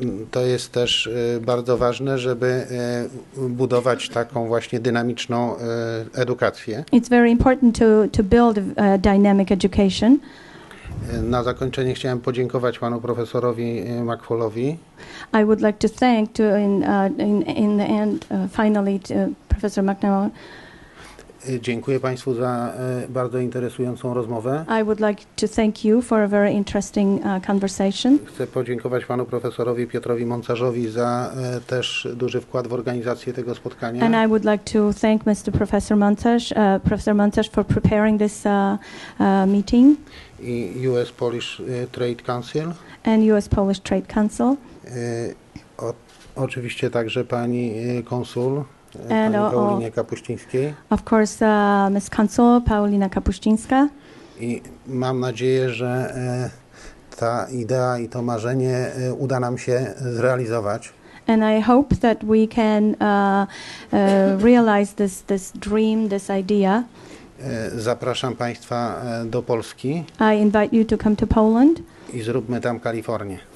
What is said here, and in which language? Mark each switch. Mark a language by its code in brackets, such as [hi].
[pl] To jest też bardzo ważne, żeby budować taką właśnie dynamiczną edukację. [en] It's very important to build a dynamic education. [pl] Na zakończenie chciałem podziękować panu profesorowi McFallowi. [en] I would like to thank to in the end finally to Professor McNamara. [pl] Dziękuję państwu za bardzo interesującą rozmowę. [en] I would like to thank you for a very interesting conversation. [pl] Chcę podziękować panu profesorowi Piotrowi Moncarzowi za też duży wkład w organizację tego spotkania. [en] And I would like to thank Mr. Professor Moncarz, Professor Moncarz for preparing this meeting. [pl] I US Polish Trade Council. [en] And US Polish Trade Council. [pl] Oczywiście także pani konsul. And Paulina Kapuścińskiej. [en] Of course, Ms. Consul Paulina Kapuścińska. [pl] I mam nadzieję, że ta idea i to marzenie uda nam się zrealizować. [en] And I hope that we can realize this dream, this idea. [pl] Zapraszam państwa do Polski. [en] I invite you to come to Poland. [pl] I zróbmy tam Kalifornię.